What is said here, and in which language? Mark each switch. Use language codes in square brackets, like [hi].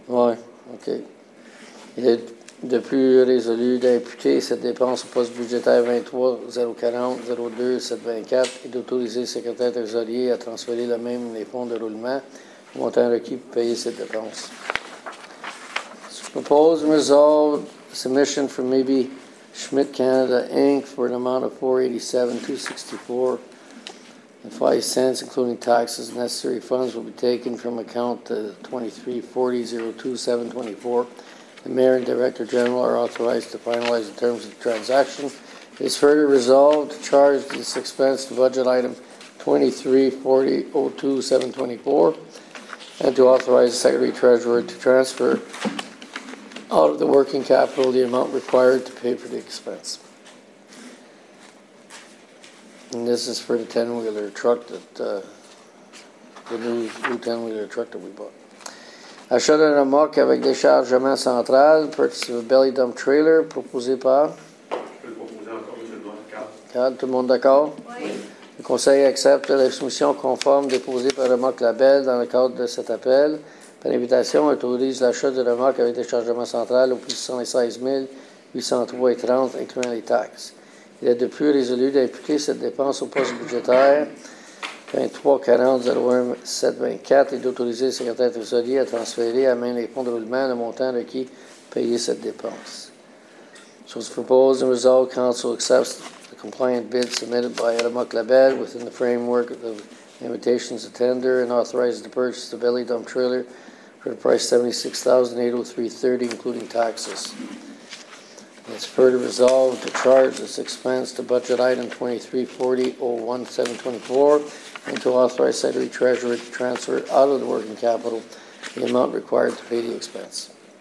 [fr] Oui, OK. Il est de plus résolu d'imputer cette dépense au poste budgétaire 23 040 02 724 et d'autoriser le secrétaire trésorier à transférer le même les fonds de roulement au montant requis pour payer cette dépense. [en] Proposed and resolved submission from maybe Schmidt Canada Inc. for an amount of $487,264.05, including taxes. Necessary funds will be taken from account 23-40-02-724. The Mayor and Director General are authorized to finalize the terms of the transaction It is further resolved to charge this expense to budget item 2340-02-724 and to authorize the Secretary Treasurer to transfer out of the working capital the amount required to pay for the expense. And this is for the 10-wheeler truck that the new 10-wheeler truck that we bought. [fr] Achat d'un remorque avec déchargement central, [en] purchase of a belly dump trailer, [fr] proposé par. Tout le monde d'accord? Oui. Le conseil accepte la soumission conforme déposée par Remorque Labelle dans le cadre de cet appel. Par invitation, autorise l'achat de remorque avec déchargement central au prix de 116 803,30 incluant les taxes. Il est de plus résolu d'imputer cette dépense au poste budgétaire 2340-01-724 et d'autoriser le secrétaire trésorier à transférer à main les fonds de roulement le montant requis pour payer cette dépense. [en] So it's proposed and resolved, Council accepts the compliant bid submitted by Remorque Labelle within the framework of the invitations to tender and authorizes the purchase of the belly dump trailer for the price $76,803.30, including taxes. And it's further resolved to charge this expense to budget item 2340-01-724 and to authorize Secretary Treasurer to transfer out of the working capital the amount required to pay the expense.